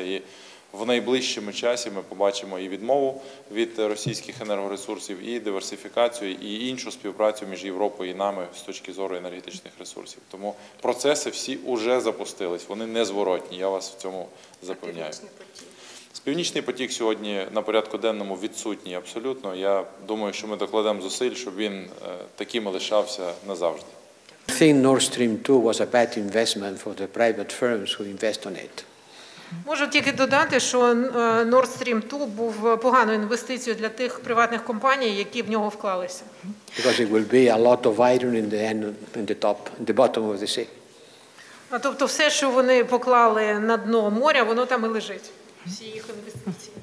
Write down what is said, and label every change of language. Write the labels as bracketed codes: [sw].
[uk] І в найближчому часі ми побачимо і відмову від російських енергоресурсів, і диверсифікацію, і іншу співпрацю між Європою і нами з точки зору енергетичних ресурсів. Тому процеси всі уже запустились, вони незворотні, я вас в цьому запевняю. Північний потік сьогодні на порядку денному відсутній абсолютно. Я думаю, що ми докладемо зусиль, щоб він таким і лишався назавжди. [en] I think Nord Stream 2 was a bad investment for the private firms who invest on it. [uk] Можу тільки додати, що Nord Stream 2 був поганою інвестицією для тих приватних компаній, які в нього вклалися. [en] Because it will be a lot of iron in the bottom of the sea. [uk] А тобто все, що вони поклали на дно моря, воно там і лежить. Всі їх інвестиції.